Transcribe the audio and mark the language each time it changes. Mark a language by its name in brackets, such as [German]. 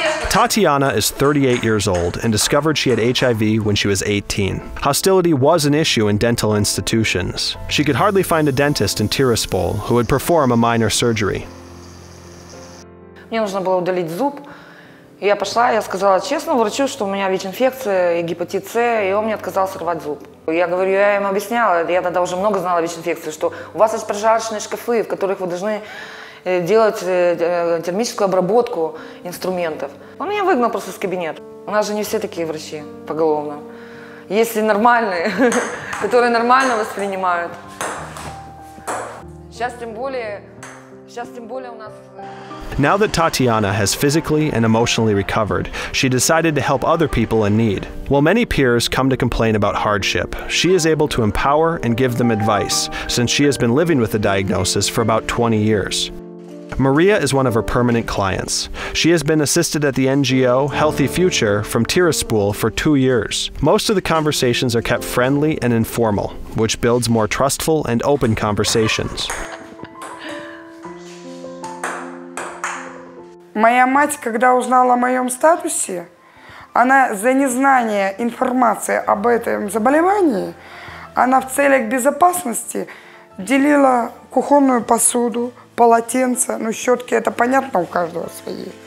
[English] Tatiana is 38 years old and discovered she had HIV when she was 18. Hostility was an issue in dental institutions. She could hardly find a dentist in Tiraspol who would perform a minor surgery. [Russian] Мне нужно было удалить зуб. Я пошла, я сказала честно врачу, что у меня ВИЧ-инфекция и гепатит С, и он мне отказался рвать зуб. Я говорю, я ему объясняла, я тогда уже много знала о ВИЧ-инфекции, что у вас есть прожарочные шкафы, в которых вы должны делать термическую обработку инструментов. Он меня выгнал просто из кабинета. У нас же не все такие врачи поголовно. Есть и нормальные, которые нормально воспринимают. Сейчас тем более у нас... [English] Now that Tatiana has physically and emotionally recovered, she decided to help other people in need. While many peers come to complain about hardship, she is able to empower and give them advice, since she has been living with the diagnosis for about 20 years. Maria is one of her permanent clients. She has been assisted at the NGO Healthy Future from Tiraspol for 2 years. Most of the conversations are kept friendly and informal, which builds more trustful and open conversations. [Russian] Моя мать, когда узнала о моем статусе, она за незнание информации об этом заболевании, она в целях безопасности делила кухонную посуду, полотенца, ну, щетки, это понятно, у каждого свои.